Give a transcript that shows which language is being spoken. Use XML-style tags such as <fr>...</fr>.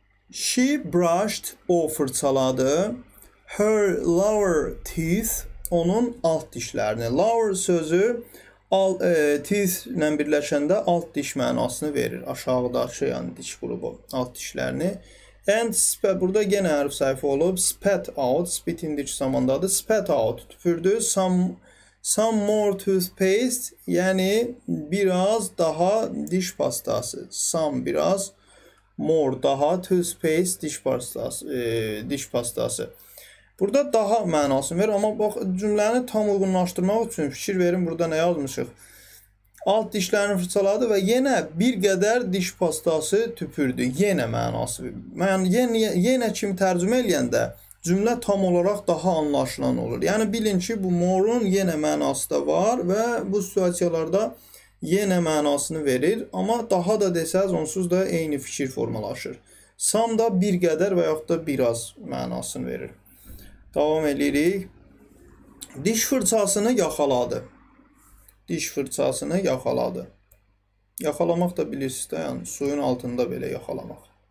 <en>She brushed,</en> <az>o fırçaladı,</az> <en>her lower teeth,</en> <az>onun alt dişlerini. Lower sözü teeth ilə birləşəndə alt diş mənasını verir. Aşağıda aşağı, yəni diş qrubu, alt dişlərini.</az> <en>And spat,</en> <az>burada yenə hərf sayfə olub.</az> <en>Spat out,</en> <az>spit indiç zamandadır. Spat out, tüpürdü.</az> <en>Some more toothpaste,</en> <az>yəni biraz daha diş pastası. Some biraz, more daha toothpaste, diş pastası. Diş pastası. Burada daha mənasını verir, amma bax, cümləni tam uyğunlaşdırmaq üçün fikir verin, burada nə yazmışıq. Alt dişlərini fırçaladı və yenə bir qədər diş pastası tüpürdü. Yenə mənası. Yenə kimi tərcümə eləyəndə cümlə tam olaraq daha anlaşılan olur. Yəni bilin ki, bu more-un yenə mənası da var və bu situasiyalarda yenə mənasını verir. Amma daha da desəz, onsuz da eyni fikir formalaşır. Sam da bir qədər və yaxud da biraz mənasını verir. Davam edirik. Diş fırçasını yaxaladı. Diş fırçasını yaxaladı. Yaxalamaq da bilirsiniz de, yani suyun altında belə yaxalamaq.</az>